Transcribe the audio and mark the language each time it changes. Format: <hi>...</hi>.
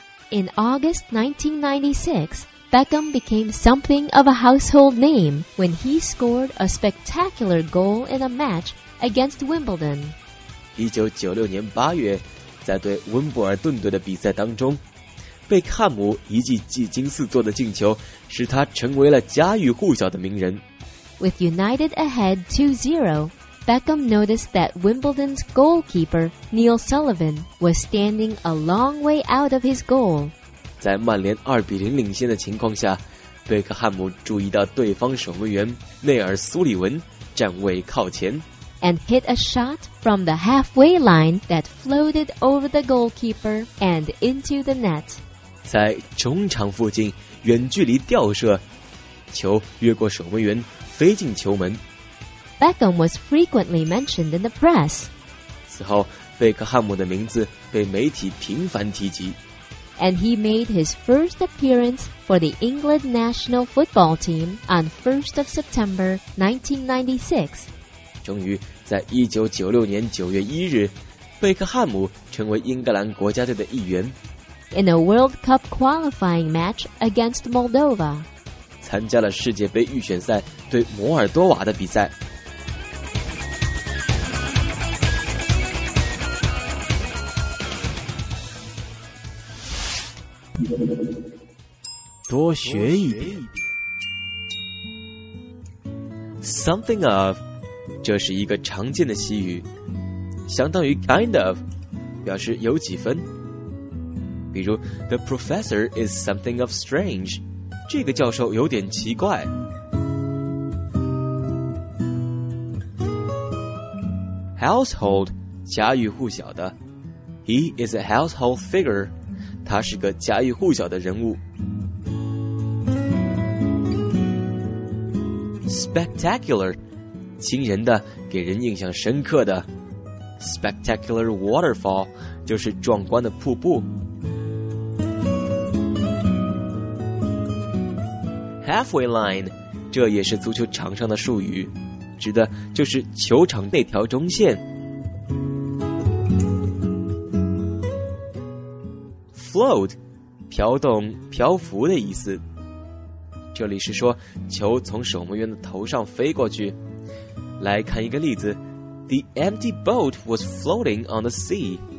<en>In August 1996, Beckham became something of a household name when he scored a spectacular goal in a match against Wimbledon.</en> <zh>1996年8月，在对温布尔顿队的比赛当中，贝克汉姆一记技惊四座的进球使他成为了家喻户晓的名人。</zh> <en>With United ahead 2-0,Beckham noticed that Wimbledon's goalkeeper, Neil Sullivan, was standing a long way out of his goal.</en> <zh>在曼联2-0领先的情况下，贝克汉姆注意到对方守门员内尔苏里文站位靠前。</zh> <en>And hit a shot from the halfway line that floated over the goalkeeper and into the net.</en> <zh>在中场附近远距离吊射，球越过守门员飞进球门。</zh> <en>Beckham was frequently mentioned in the press.</en> <zh>此后，贝克汉姆的名字被媒体频繁提及。</zh> <en>And he made his first appearance for the England national football team on 1st of September 1996.</en> <zh>终于，在1996年9月1日，贝克汉姆成为英格兰国家队的一员。</zh> <en>In a World Cup qualifying match against Moldova.</en> <zh>参加了世界杯预选赛对摩尔多瓦的比赛。多学一点。 Something of， 这是一个常见的习语，相当于 kind of， 表示有几分。比如</zh> <en>，The professor is something of strange，</en> <zh>这个教授有点奇怪。 Household， 家喻户晓的。</zh> <en>He is a household figure。</en> <zh>他是个家喻户晓的人物。 Spectacular， 惊人的，给人印象深刻的。 Spectacular waterfall 就是壮观的瀑布。 Halfway line， 这也是足球场上的术语，指的就是球场那条中线。 Float， 飘动、漂浮的意思。这里是说球从守门员的头上飞过去。来看一个例子</zh> <en>：The empty boat was floating on the sea。</en>